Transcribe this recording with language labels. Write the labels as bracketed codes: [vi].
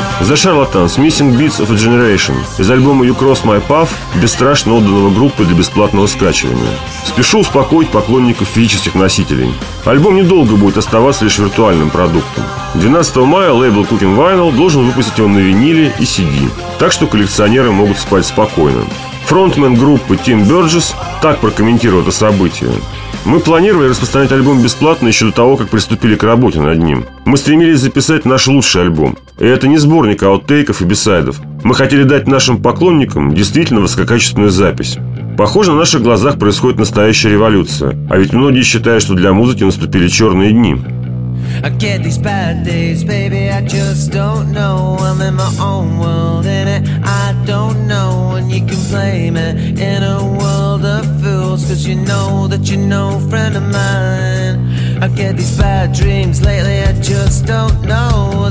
[ru] The Charlatans – Missing Beats of a Generation из альбома You Cross My Path, бесстрашно отданного группы для бесплатного скачивания. Спешу успокоить поклонников физических носителей. Альбом недолго будет оставаться лишь виртуальным продуктом. 12 мая лейбл Cooking Vinyl должен выпустить его на виниле и CD, так что коллекционеры могут спать спокойно. Фронтмен группы Тим Бёрджесс так прокомментировал это событие. «Мы планировали распространять альбом бесплатно еще до того, как приступили к работе над ним. Мы стремились записать наш лучший альбом. И это не сборник ауттейков и бисайдов. Мы хотели дать нашим поклонникам действительно высококачественную запись. Похоже, на наших глазах происходит настоящая революция. А ведь многие считают, что для музыки наступили черные дни. [en] I get these bad days, baby, I just don't know. I'm in my own world, in it, I don't know. And you can blame it in a world of fools, 'cause you know that you're no friend of mine. I get these bad dreams lately, I just don't know.